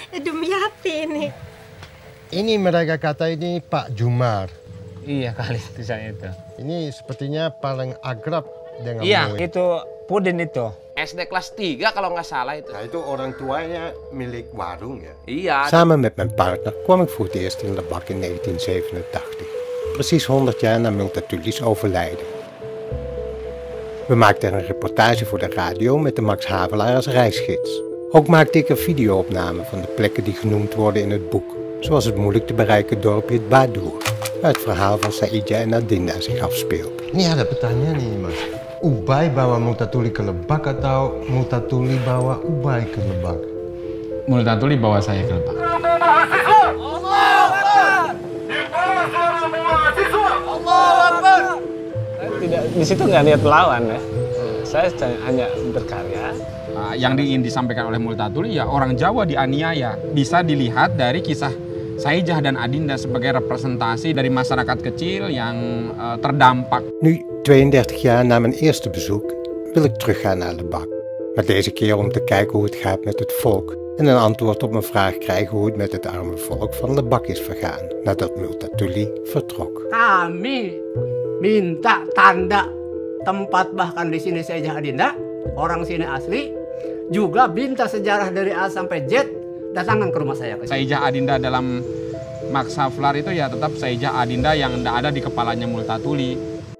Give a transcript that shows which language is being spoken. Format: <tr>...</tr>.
<id>Demi apa ini? Ini mereka kata ini Pak Jumar. Iya kali itu saya itu. Ini sepertinya paling akrab dengan iya, mulai. Itu Pudin itu. SD kelas 3 kalau nggak salah itu. Nah itu orang tuanya milik warung ya? Iya.</id> <nl>Sama met mijn partner kwam ik voor het eerst in Lebak in 1987. Precies 100 jaar na Multatuli's overlijden. We maakten een reportage voor de radio met de Max Havelaar als reisgids. Ook maakte ik een videoopname van de plekken die genoemd worden in het boek. Zoals het moeilijk te bereiken dorpje het Badur. Waar het verhaal van Saidja en Adinda zich afspeelt. Ja, dat betekent niet meer.</nl> <id>Ubay bawa Multatuli ke Lebak atau Multatuli bawa Ubay ke Lebak? Multatuli bawa saya ke Lebak. Tidak, di situ nggak lihat lawan ya. Saya hanya berkarya. Yang ingin disampaikan oleh Multatuli ya orang Jawa dianiaya. Bisa dilihat dari kisah Saijah dan Adinda sebagai representasi dari masyarakat kecil yang terdampak.</id> <nl>Nu, 32 jaar na mijn eerste bezoek, wil ik teruggaan naar Lebak. Maar deze keer om te kijken hoe het gaat met het volk en een antwoord op mijn vraag krijgen hoe het met het arme volk van Lebak is vergaan nadat Multatuli vertrok.</nl> <id>Kami minta tanda tempat bahkan di sini Saijah Adinda, orang sini asli, juga minta sejarah dari A sampai Z datangkan ke rumah saya. Saijah Adinda dalam Max Havelaar itu ya tetap Saijah Adinda yang tidak ada di kepalanya Multatuli.</id>